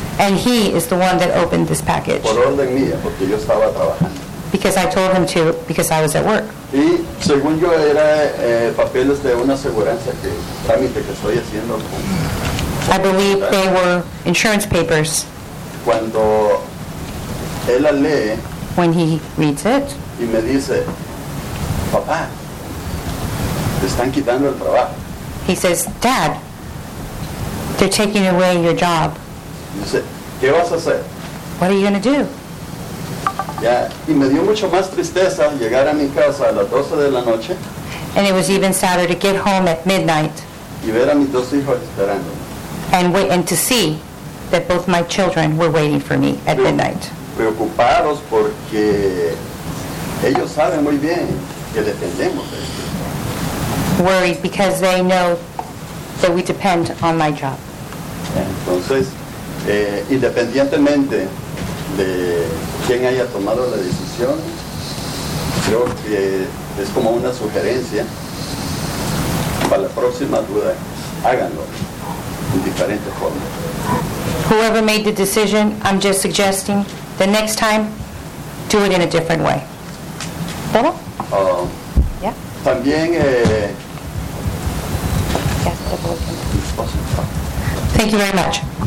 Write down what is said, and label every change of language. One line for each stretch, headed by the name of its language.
English: And he is the one that opened this package.
Spanish: Por orden mía, porque yo estaba trabajando.
English: Because I told him to, because I was at work.
Spanish: Y según yo era papeles de una aseguranza que trámite que estoy haciendo.
English: I believe they were insurance papers.
Spanish: Cuando él la lee.
English: When he reads it.
Spanish: Y me dice, papá, te están quitando el trabajo.
English: He says, Dad, they're taking away your job.
Spanish: Dice, ¿qué vas a hacer?
English: What are you going to do? Yeah.
Spanish: Y me dio mucho más tristeza llegar a mi casa a las 12 de la noche.
English: And it was even sadder to get home at midnight.
Spanish: Y ver a mis dos hijos esperando.
English: And to see that both my children were waiting for me at midnight.
Spanish: Preocupados porque ellos saben muy bien que dependemos de esto.
English: Worried because they know that we depend on my job.
Spanish: Entonces, independientemente de quién haya tomado la decisión, creo que es como una sugerencia para la próxima duda. Háganlo en diferentes formas.
English: Whoever made the decision, I'm just suggesting the next time, do it in a different way.
Spanish: ¿Todo? También,
English: thank you very much.